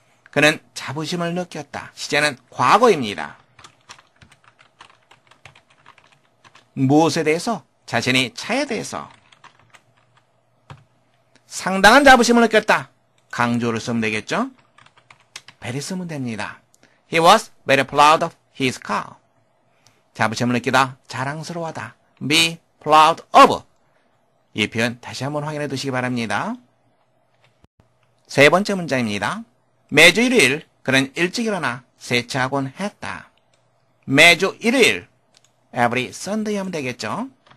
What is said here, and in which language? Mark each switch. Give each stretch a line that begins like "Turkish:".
Korean: 그는 자부심을 느꼈다. 시제는 과거입니다. 무엇에 대해서? 자신의 차에 대해서. 상당한 자부심을 느꼈다. 강조를 쓰면 되겠죠? very 쓰면 됩니다.
English: He was very proud of his car.
Korean: 자부심을 느끼다. 자랑스러워하다. Be proud of. 이 표현 다시 한번 확인해 두시기 바랍니다. 세 번째 문장입니다. 매주 일요일 그는 일찍 일어나 세차하곤 했다. 매주 일요일, every Sunday 하면 되겠죠?